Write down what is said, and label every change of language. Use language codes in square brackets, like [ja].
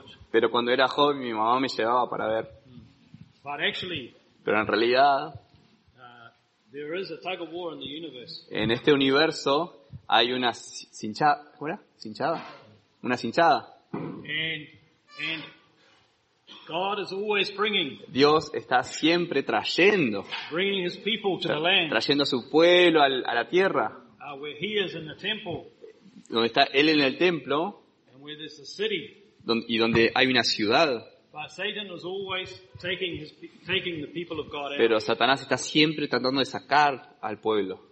[es] Pero cuando era joven, mi mamá me llevaba para ver. [en] But actually, [es] pero en realidad, [en] there is a tug of war in the universe. [es] En este universo hay una cinchada. ¿Cómo era? ¿Cinchada? Una cinchada. [en] And God is always bringing. [es] Dios está siempre trayendo. [en] Bringing his people to the land. [es] Trayendo a su pueblo a la tierra. [en] Where he is in the temple. [es] Donde está él en el templo. [en] And where there's a city. [es] Y donde hay una ciudad. [en] But Satan is always taking the people of God out. [es] Pero Satanás está siempre tratando de sacar al pueblo.